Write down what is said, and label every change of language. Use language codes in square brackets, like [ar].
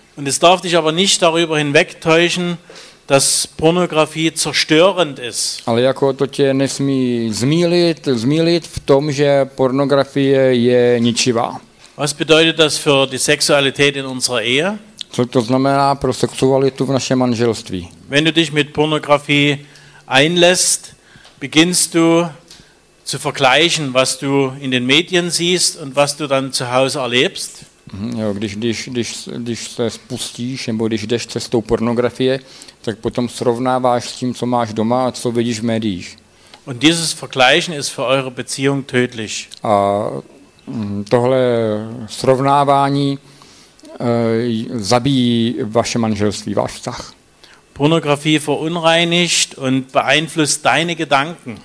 [de] Und es darf dich aber nicht darüber hinwegtäuschen, dass Pornografie zerstörend ist. [cs] Ale jako to tě nesmí zmýlit v tom, že pornografie je ničivá. [de] Was bedeutet das für die Sexualität in unserer Ehe? [cs] Co to znamená pro sexualitu v našem manželství? [de] Wenn du dich mit Pornografie einlässt, beginnst du zu vergleichen, was du in den Medien siehst und was du dann zu Hause erlebst. [cs] Jo, když se spustíš nebo když jdeš cestou pornografie, tak potom srovnáváš s tím, co máš doma a co vidíš v médiích. [de] Und dieses Vergleichen ist für eure Beziehung tödlich. [cs] A tohle srovnávání zabíjí vaše manželství, váš vztah. [de] Pornografie verunreinigt und beeinflusst deine Gedanken.